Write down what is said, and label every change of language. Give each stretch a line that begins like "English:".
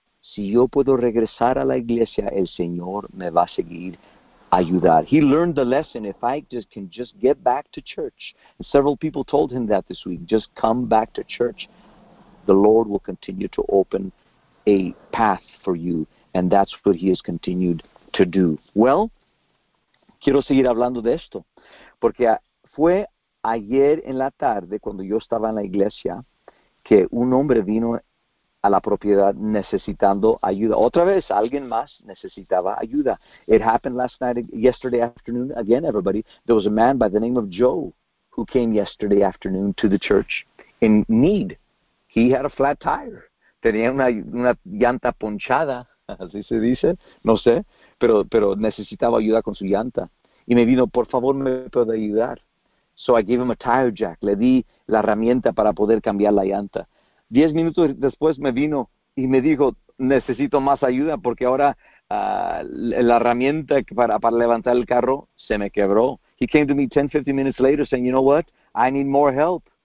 Spanish: Si yo puedo regresar a la iglesia, el Señor me va a seguir ayudando.
English: He learned the lesson. If I just can just get back to church. And several people told him that this week. Just come back to church. The Lord will continue to open a path for you. And that's what he has continued to do.
Spanish: Well, quiero seguir hablando de esto. Porque fue ayer en la tarde, cuando yo estaba en la iglesia, que un hombre vino a la propiedad necesitando ayuda. Otra vez, alguien más necesitaba ayuda.
English: It happened last night, yesterday afternoon. Again, everybody, there was a man by the name of Joe who came yesterday afternoon to the church in need. He had a flat tire.
Spanish: Tenía una llanta ponchada, así se dice. No sé, pero necesitaba ayuda con su llanta. Y me vino, por favor, ¿me puede ayudar?
English: So I gave him a tire jack.
Spanish: Le di la herramienta para poder cambiar la llanta. 10 minutos después me vino y me dijo, necesito más ayuda porque ahora la herramienta para levantar el carro se me quebró.
English: He came to me 10, 15 minutes later saying, you know what? I need more help.